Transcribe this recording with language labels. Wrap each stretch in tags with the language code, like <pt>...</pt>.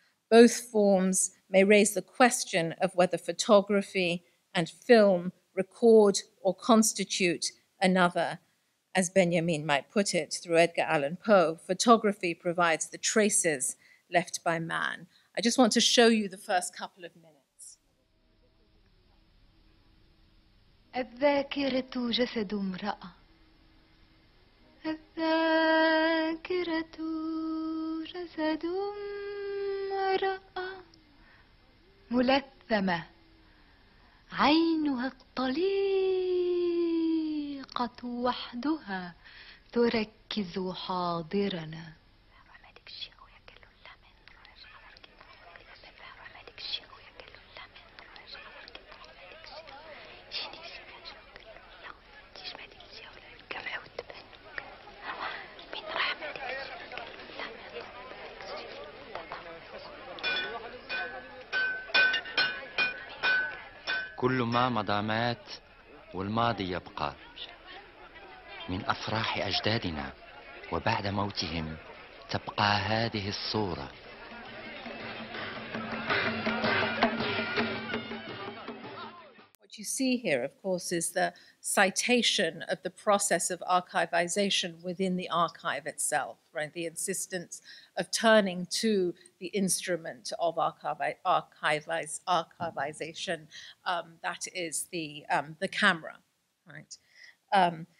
<en>Both forms may raise the question of whether photography and film record or constitute another. As Benjamin might put it through Edgar Allan Poe, photography provides the traces left by man. I just want to show you the first couple of minutes.</en> <ar>الذاكرة جسد امرأة الذاكرة جسد امرأة ملثمة عينها الطليقة وحدها تركز حاضرنا كل ما مضى مات والماضي يبقى من أفراح أجدادنا وبعد موتهم تبقى هذه الصورة</ar> <en>What you see here, of course, is the citation of the process of archivization within the archive itself, right? The insistence of turning to the instrument of archivization, that is the camera, right?</en>